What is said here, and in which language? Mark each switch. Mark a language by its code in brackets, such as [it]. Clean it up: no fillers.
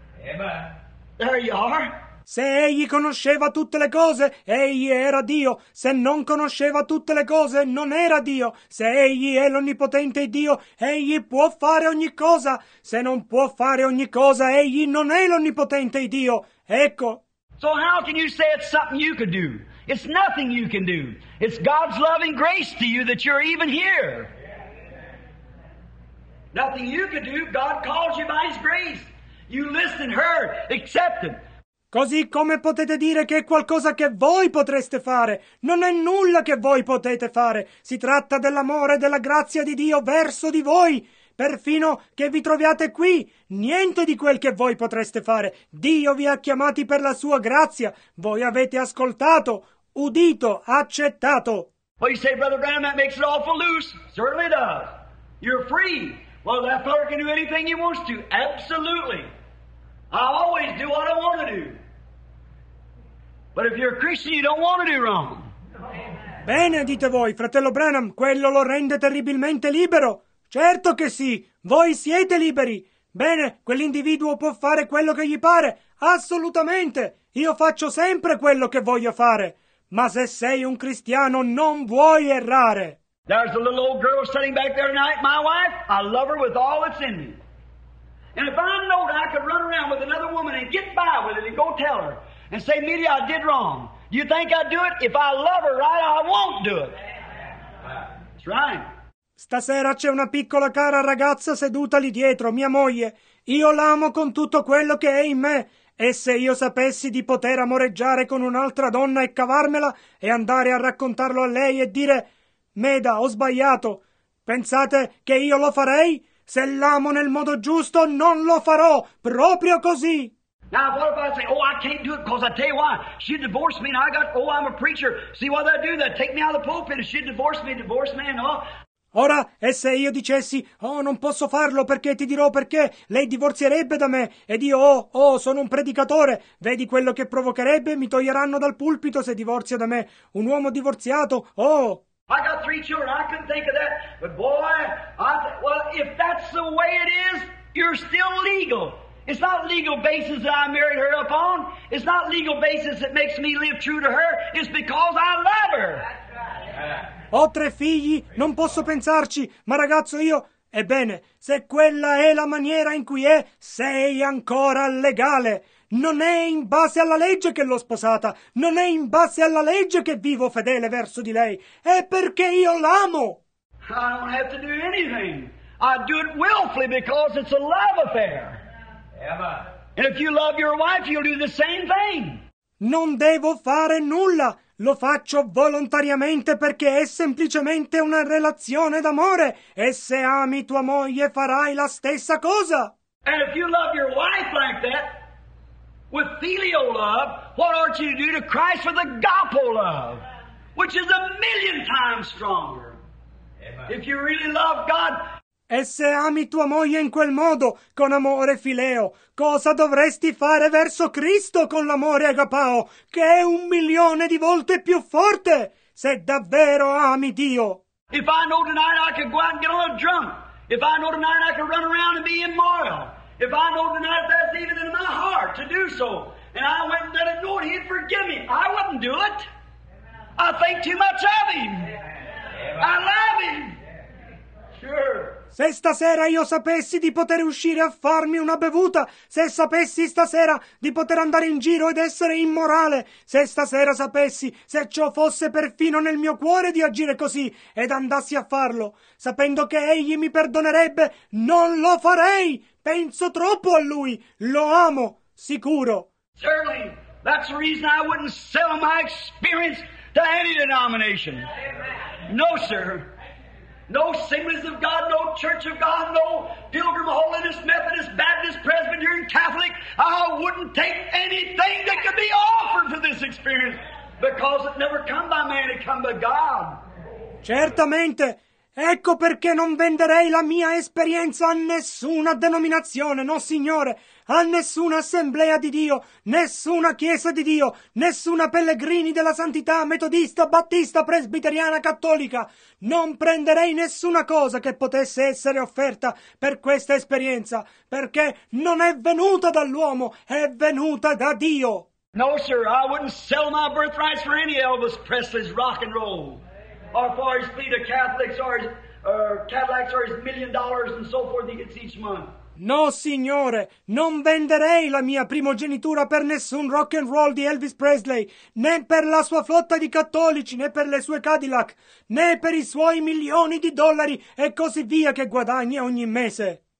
[en] Amen. There you are. [it] Se egli conosceva tutte le cose, egli era Dio. Se non conosceva tutte le cose, non era Dio. Se egli è l'onnipotente Dio, egli può fare ogni cosa. Se non può fare ogni cosa, egli non è l'onnipotente Dio. Ecco. [en] So how can you say it's something you could do? It's nothing you can do. It's God's loving grace to you that you're even here. Nothing you could do. God calls you by his grace. You listen, heard, accepted. [it] Così come potete dire che è qualcosa che voi potreste fare, non è nulla che voi potete fare. Si tratta dell'amore e della grazia di Dio verso di voi. Perfino che vi troviate qui, niente di quel che voi potreste fare. Dio vi ha chiamati per la sua grazia. Voi avete ascoltato, udito, accettato. [en] Well, you say, Brother Branham, that makes it awful loose. Certainly does. You're free. Well, that fellow can do anything he wants to. Absolutely. I always do what I want to do. But if you're a Christian, you don't want to do wrong. Amen. [it] Bene, dite voi, fratello Branham, quello lo rende terribilmente libero. Certo che sì, voi siete liberi. Bene, quell'individuo può fare quello che gli pare. Assolutamente, io faccio sempre quello che voglio fare. Ma se sei un cristiano, non vuoi errare. [en] There's a little old girl sitting back there tonight, my wife. I love her with all that's in me. And if I know that I could run around with another woman and get by with it and go tell her and say, Media, I did wrong. Do you think I'd do it? If I love her right, I won't do it. That's right. [it] Stasera c'è una piccola cara ragazza seduta lì dietro, mia moglie. Io l'amo con tutto quello che è in me. E se io sapessi di poter amoreggiare con un'altra donna e cavarmela e andare a raccontarlo a lei e dire, Meda, ho sbagliato. Pensate che io lo farei? Se l'amo nel modo giusto, non lo farò, proprio così. [en] Now, what if I say, oh, I can't do it, because I tell you why. She divorced me, and I'm a preacher. See, what did I do? That take me out of the pulpit, and she divorced me, oh. [it] Ora, e se io dicessi, oh, non posso farlo perché ti dirò perché, lei divorzierebbe da me, ed io, oh, sono un predicatore, vedi quello che provocherebbe, mi toglieranno dal pulpito se divorzia da me, un uomo divorziato, oh! [en] I got three children, I couldn't think of that, but boy, well, if that's the way it is, you're still legal. It's not legal basis that I married her upon, it's not legal basis that makes me live true to her, it's because I love her. [it] Ho tre figli, non posso pensarci, ma ragazzo io, ebbene, se quella è la maniera in cui è, sei ancora legale. Non è in base alla legge che l'ho sposata, non è in base alla legge che vivo fedele verso di lei, è perché io l'amo. [en] I don't have to do anything, I do it willfully because it's a love affair. Emma. And if you love your wife, you'll do the same thing. [it] Non devo fare nulla. Lo faccio volontariamente perché è semplicemente una relazione d'amore. E se ami tua moglie, farai la stessa cosa. [en] And if you love your wife like that, with filial love, what ought you to do to Christ with agapo love, which is a million times stronger? Amen. If you really love God. [it] E se ami tua moglie in quel modo, con amore fileo, cosa dovresti fare verso Cristo con l'amore agapao, che è un milione di volte più forte, se davvero ami Dio? [en] If I know tonight I could go out and get a little drunk, if I know tonight I could run around and be immoral, if I know tonight that's even in my heart to do so, and I went and let it know and he'd forgive me, I wouldn't do it. I think too much of him. I love him. Sure. [it] Se stasera io sapessi di poter uscire a farmi una bevuta, se sapessi stasera di poter andare in giro ed essere immorale, se stasera sapessi, se ciò fosse perfino nel mio cuore di agire così ed andassi a farlo, sapendo che egli mi perdonerebbe, non lo farei! Penso troppo a lui! Lo amo, sicuro! [en] Certainly, that's the reason I wouldn't sell my experience to any denomination. No, sir. No Assemblies of God, no Church of God, no Pilgrim, Holiness, Methodist, Baptist, Presbyterian, Catholic. I wouldn't take anything that could be offered for this experience because it never come by man, it come by God. [it] Certamente. Ecco perché non venderei la mia esperienza a nessuna denominazione, no signore, a nessuna assemblea di Dio, nessuna chiesa di Dio, nessuna pellegrini della santità metodista, battista, presbiteriana, cattolica. Non prenderei nessuna cosa che potesse essere offerta per questa esperienza, perché non è venuta dall'uomo, è venuta da Dio. [en] No, sir, I wouldn't sell my birthrights for any Elvis Presley's rock and roll. Or for his fleet of Catholics, Cadillacs, or his $1 million, and so forth, he gets each month. [it] No, signore, non venderei la mia primogenitura per nessun rock and roll di Elvis Presley, né per la sua flotta di cattolici, né per le sue Cadillac, né per i suoi milioni di dollari e così via che guadagna ogni mese.